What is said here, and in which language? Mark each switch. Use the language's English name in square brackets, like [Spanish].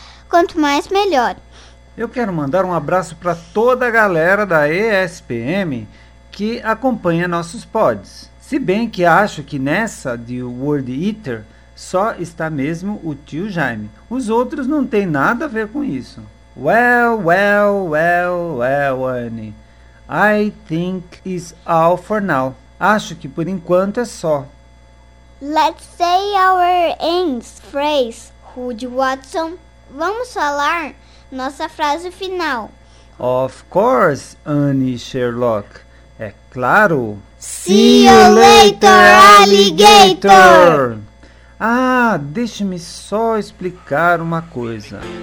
[Portuguese] Quanto mais, melhor. Eu quero mandar um abraço para toda a galera da ESPM que acompanha nossos pods. Se bem que acho que nessa de Word Eater só está mesmo o tio Jaime. Os outros não têm nada a ver com isso. [English] Well, well, well, well, Annie. I think it's all for now. [Portuguese] Acho que por enquanto é só. [English] Let's say our end phrase, Hood Watson. [Portuguese] Vamos falar nossa frase final. [English] Of course, Annie Sherlock. [Portuguese] É claro. [English] See you later, alligator. [Portuguese] Ah, deixe-me só explicar uma coisa.